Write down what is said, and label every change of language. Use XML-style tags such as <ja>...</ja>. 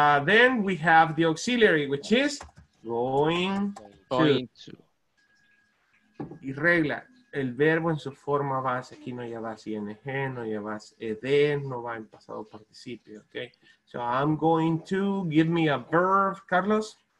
<en>Then we have the auxiliary, which is going to.</en> <es>Y regla, el verbo en su forma base, aquí no llevas ing, no llevas ed, no va en pasado participio, okay?</es> <en>So I'm going to, give me a verb, Carlos.</en>